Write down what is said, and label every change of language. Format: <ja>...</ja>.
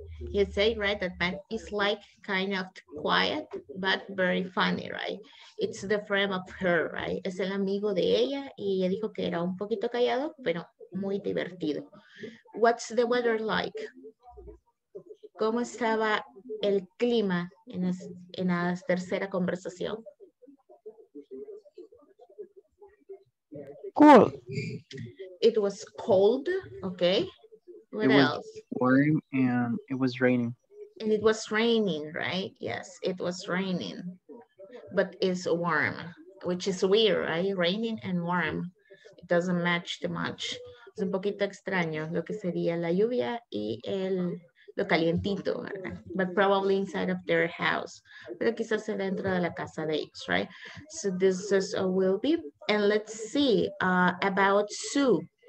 <en>He said, right, that Matt is like kind of quiet, but very funny, right? It's the friend of her, right?</en> <es>Es el amigo de ella, y ella dijo que era un poquito callado, pero muy divertido.</es> <en>What's the weather like?</en> <es>¿Cómo estaba el clima en la tercera conversación?</es> <en>Cool. It was cold, okay? What it else? Warm and it was raining. And it was raining, right? Yes, it was raining, but it's warm. which is weird, right? Raining and warm. It doesn't match too much.</en> <es>Es un poquito extraño lo que sería la lluvia y el lo calientito, ¿verdad?</es> <en>But probably inside of their house.</en> <es>Pero quizás dentro de la casa de ellos, right?</es> <en>So this is a will be. And let's see about Sue.</en>